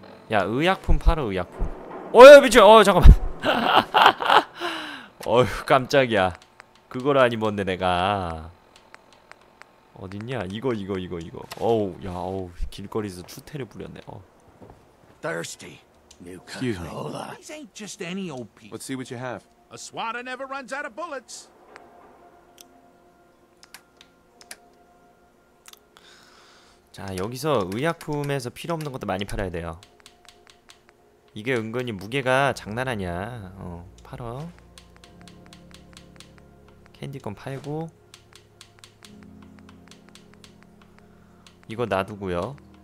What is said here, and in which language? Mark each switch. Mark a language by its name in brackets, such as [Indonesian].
[Korean] 야, 의약품 팔아, 의약품. 잠깐만. 어휴, 깜짝이야. 그걸 안 입었네, 내가. 어딨냐? 이거. 어우, 야, 어우, 길거리에서 추태를 부렸네, [English] Thirsty. New country. [Spanish] Hola. [English] These ain't just any old people. Let's see what you have. A swatter never runs out of bullets. [Korean] 자, 여기서 의약품에서 필요 없는 것도 많이 팔아야 돼요. 이게 은근히 무게가 장난 아니야. 팔어. 캔디건 팔고 이거 놔두고요.